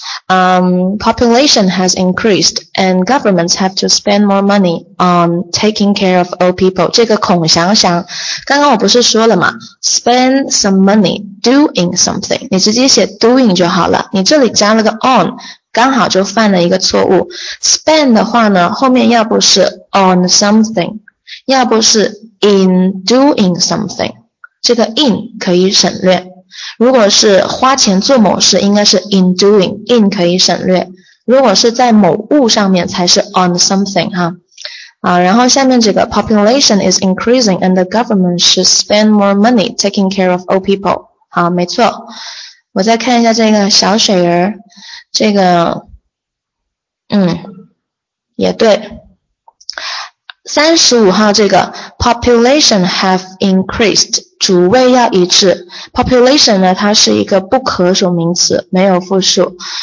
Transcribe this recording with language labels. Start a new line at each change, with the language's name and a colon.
English: Population has increased, and governments have to spend more money on taking care of old people.
Chinese: 这个孔祥祥，刚刚我不是说了吗？
English: Spend some money, doing something.
Chinese: 你直接写 doing 就好了。你这里加了个 on,刚好就犯了一个错误。 Spend 的话呢，后面要不是 on something, 要不是
English: in doing something,
Chinese: 这个 in 可以省略。如果是花钱做某事，应该是 in doing, in 可以省略。如果是在某物上面，才是 on something, 哈。然后下面这个
English: population is increasing and the government should spend more money taking care of old people.
Chinese: 好，没错。我再看一下这个小水人。这个也对。 35号这个
English: population have increased,
Chinese: 主谓要一致。 population 呢，它是一个不可数名词，没有复数。